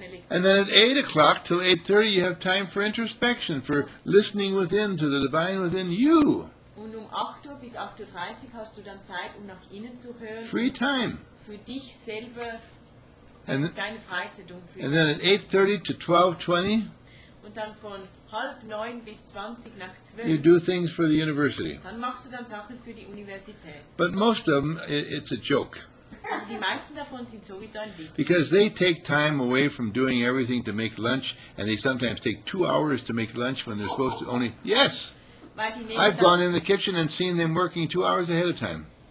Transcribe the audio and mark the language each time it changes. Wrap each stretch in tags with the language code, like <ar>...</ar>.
<en>And then at 8 o'clock till 8:30 you have time for introspection, for listening within to the divine within you.</en> <de>Und 8:00 bis 8:30 hast du dann Zeit, nach innen zu hören.</de> <en>Free time.</en> <de>Für dich selber ist keine Freizeit.</de> <en>And then at 8:30 to 12:20.</en> <de>Und dann von 8:30 bis 12:20.</de> <en>You do things for the university.</en> <de>Dann machst du dann Sachen für die Universität.</de> <en>But most of them, it's a joke.</en> <de>Die meisten davon sind sowieso ein Witz.</de> <en>Because they take time away from doing everything to make lunch, and they sometimes take 2 hours to make lunch when they're supposed to only. Yes. I've gone in the kitchen and seen them working 2 hours ahead of time.</en>